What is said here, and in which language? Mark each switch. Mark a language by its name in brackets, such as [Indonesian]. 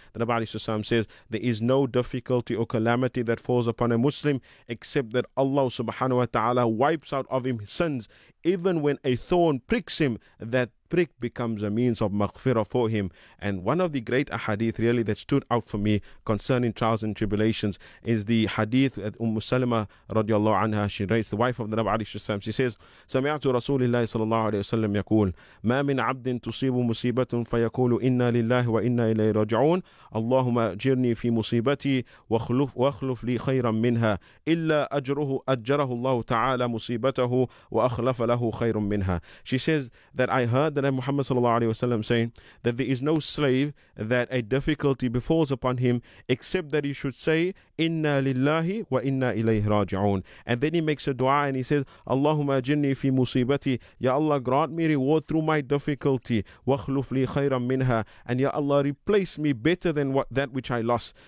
[English] The Nabi alayhi salam says, there is no difficulty or calamity that falls upon a Muslim except that Allah subhanahu wa ta'ala wipes out of him his sins. Even when a thorn pricks him, that prick becomes a means of maghfirah for him. And one of the great ahadith really that stood out for me concerning trials and tribulations is the hadith at Umm Salama radiallahu anha. She writes, the wife of the Nabi alayhi salam, she says, [Arabic] سمعت رسول الله صلى الله عليه وسلم يقول ما من عبد تصيب مصيبة فيقول إنا لله وإنا إليه راجعون اللهم أجرني في مصيبتي واخلف لي خيرا منها إلا أجره الله تعالى مصيبته وأخلف له خير منها. [English] She says that I heard the Nabi Muhammad sallallahu alayhi wa sallam saying that there is no slave that a difficulty befalls upon him except that he should say [Arabic] inna lillahi wa inna ilayhi raji'un. [English] And then he makes a dua and he says, [Arabic] Allahumma ajirni fi musibati, [English] ya Allah grant me reward through my difficulty, [Arabic] wa khluf li khayran minha, [English] and ya Allah replace me better than what that which I lost.